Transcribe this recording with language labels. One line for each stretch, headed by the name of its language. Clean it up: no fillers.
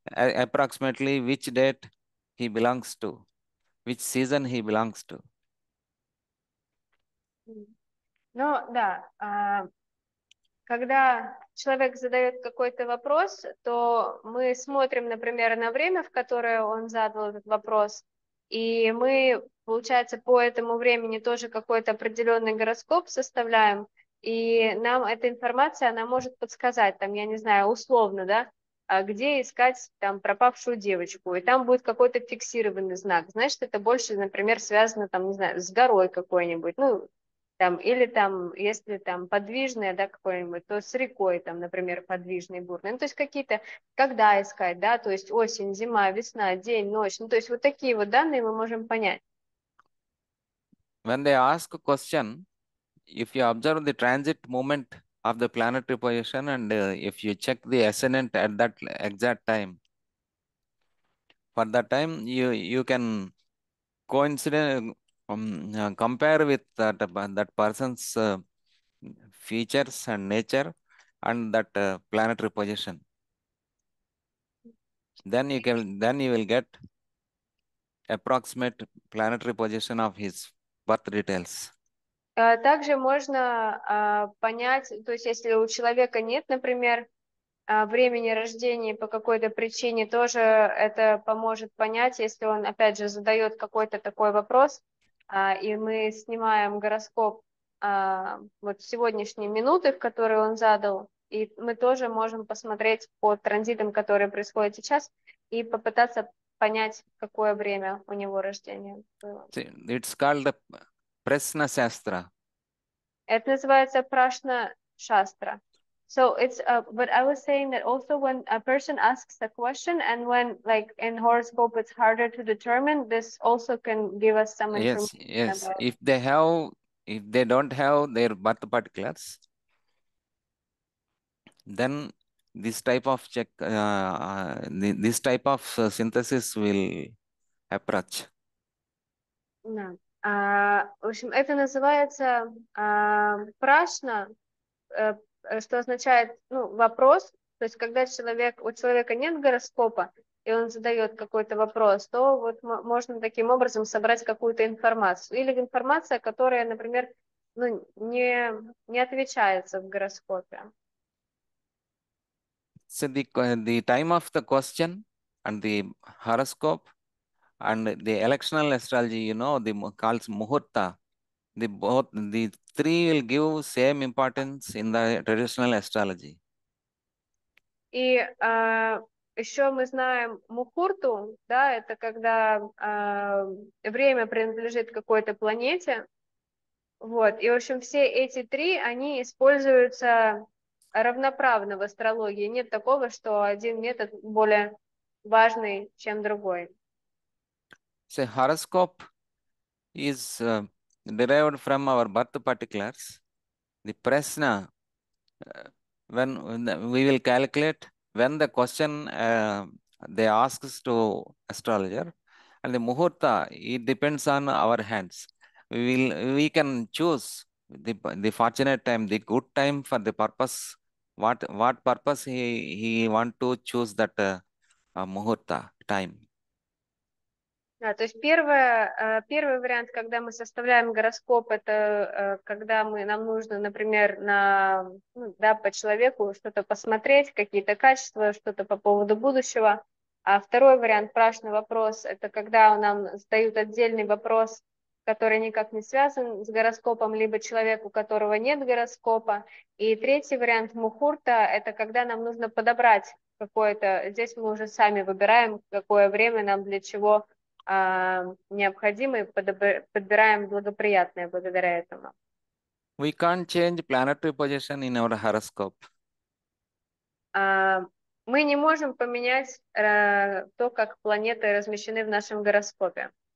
English: approximately which date he belongs to, which season he belongs to.
Russian: Ну да, когда человек задает какой-то вопрос, то мы смотрим, например, на время, в которое он задал этот вопрос, и мы, получается, по этому времени тоже какой-то определенный гороскоп составляем, и нам эта информация, она может подсказать, там, я не знаю, условно, да? А где искать там пропавшую девочку, и там будет какой-то фиксированный знак. Значит, это больше, например, связано там, не знаю, с горой какой-нибудь, ну, там, или там, если там подвижное, да, какое-нибудь, то с рекой там, например, подвижный, бурный. Ну, то есть какие-то, когда искать, да, то есть осень, зима, весна, день, ночь. Ну, то есть вот такие вот данные мы можем понять.
English: When they ask a question, if you observe the transit movement of the planetary position and if you check the ascendant at that exact time, for that time you can coincident compare with that person's features and nature and that planetary position. Then you can then you will get approximate planetary position of his. But details.
Russian: Также можно понять, то есть если у человека нет, например, времени рождения по какой-то причине, тоже это поможет понять, если он, опять же, задает какой-то такой вопрос, и мы снимаем гороскоп вот сегодняшней минуты, в которой он задал, и мы тоже можем посмотреть по транзитам, которые происходят сейчас, и попытаться понять, какое время у него рождения было.
English: It's called Prashna
Russian: Это называется прашна шастра.
English: So it's but I was saying that also when a person asks a question and when like in horoscope it's harder to determine, this also can give us some information Yes, yes. about. If they don't have their birth particulars, then this type of synthesis will approach. No.
Russian: В общем, это называется прашна, что означает, ну, вопрос. То есть, когда у человека нет гороскопа, и он задает какой-то вопрос, то вот можно таким образом собрать какую-то информацию. Или информация, которая, например, ну, не отвечается в гороскопе.
English: So the time of the question and the horoscope and the electional astrology, the calls Muhurta, the both the three will give same importance in the traditional astrology.
Russian: И еще мы знаем мухурту, да, это когда время принадлежит какой-то планете. Вот, и в общем все эти три, они используются равноправны в астрологии. Нет такого, что один метод более важный, чем другой.
English: So horoscope is derived from our birth particulars. The prashna, when we will calculate when the question they asks to astrologer, and the muhurta, it depends on our hands. We can choose the fortunate time, the good time for the purpose. What purpose he want to choose that muhurta time.
Russian: Да, то есть первый вариант, когда мы составляем гороскоп, это когда нам нужно, например, по человеку что-то посмотреть, какие-то качества, что-то по поводу будущего. А второй вариант, прашный вопрос, это когда нам задают отдельный вопрос, который никак не связан с гороскопом, либо человеку, у которого нет гороскопа. И третий вариант мухурта, это когда нам нужно подобрать какое-то, здесь мы уже сами выбираем, какое время нам для чего необходимый, подбираем благоприятное благодаря этому.
English: We can't change planetary position in our horoscope.
Russian: Мы не можем поменять то, как планеты размещены в нашем гороскопе.